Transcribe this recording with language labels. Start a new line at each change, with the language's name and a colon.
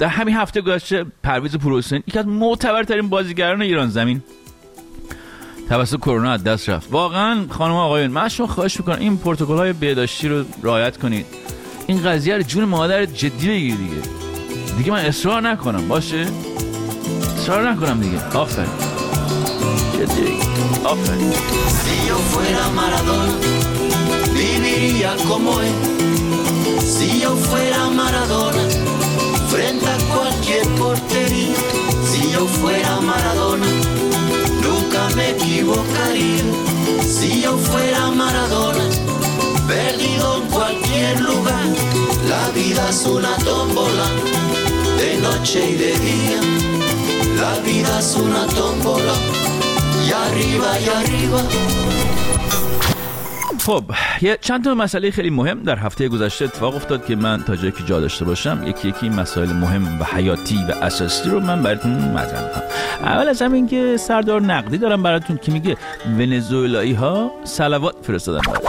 Persian: در همین هفته گذشته پرویز پورحسین، یکی از معتبرترین بازیگران ایران زمین، توسط کرونا از دست رفت. واقعا خانم آقایون، من شما خواهش میکنم این پروتکل‌های بهداشتی رو رعایت کنید. این قضیه رو جون مادرت جدی بگیر دیگه. دیگه من اصرار نکنم، باشه؟ اصرار نکنم دیگه. آفرین. جدی. آفرین.
Spanish: Si yo fuera Maradona, viviría como él. Si yo fuera Maradona, frente a cualquier portería. Si yo fuera Maradona, nunca me equivocaría. Si yo fuera Maradona, perdido en cualquier lugar. La vida es una tómbola, de noche y de día. La vida es una tómbola, y arriba y arriba.
Persian: خب یه چند تا مسئله خیلی مهم در هفته گذشته اتفاق افتاد که من تا جایی که جا داشته باشم یکی یکی این مسائل مهم و حیاتی و اساسی رو من براتون مطرح می‌کنم. اول از همه اینکه سردار نقدی دارم براتون که میگه ونزوئلایی‌ها صلوات فرستادن.